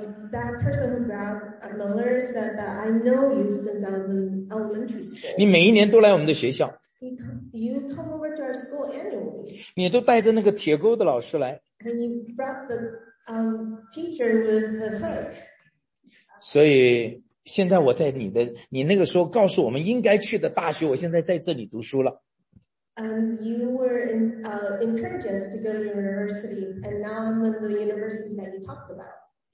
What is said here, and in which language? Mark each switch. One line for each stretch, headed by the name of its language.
English: That person who grabbed Miller said that I know you since I was in elementary school.
Chinese: 你每一年都来我们的学校。
English: You come over to our school annually.
Chinese: 你都带着那个铁钩的老师来。
English: And you brought the teacher with the hook.
Chinese: 所以现在我在你那个时候告诉我们应该去的大学，我现在在这里读书了。
English: You were encouraged us to go to university, and now I'm in the university that you talked about.